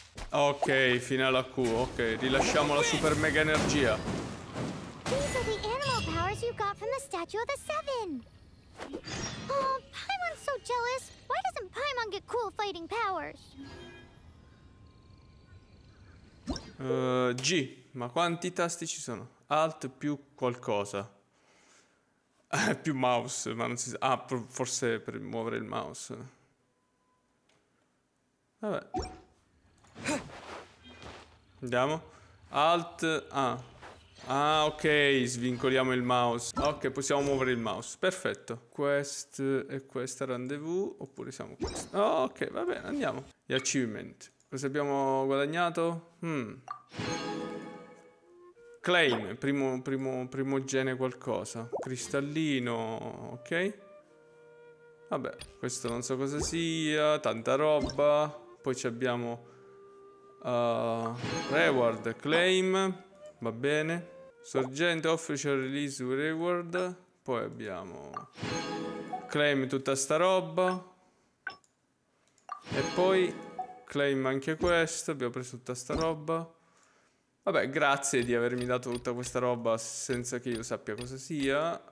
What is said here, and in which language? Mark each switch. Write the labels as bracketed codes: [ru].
[it] Ok, fine alla Q, ok, rilasciamo la super mega energia. [en] These are the animal powers you got from the statue of the seven. Oh, Paimon's so jealous. Why doesn't Paimon get cool fighting powers? [it] G, ma quanti tasti ci sono? Alt più qualcosa. Più mouse, ma non si sa. Ah, forse per muovere il mouse. Vabbè. Andiamo. Alt, ah. Ah, ok, svincoliamo il mouse. Ok, possiamo muovere il mouse. Perfetto. Quest e questa rendezvous, oppure siamo quest. Oh, ok, va bene, andiamo. Gli achievement. Cosa abbiamo guadagnato? Claim, primo gene qualcosa. Cristallino, ok. Vabbè, questo non so cosa sia. Tanta roba. Poi ci abbiamo Reward, claim, va bene. Sorgente, official release, reward. Poi abbiamo claim tutta sta roba. E poi claim anche questo, abbiamo preso tutta sta roba. Vabbè, grazie di avermi dato tutta questa roba senza che io sappia cosa sia.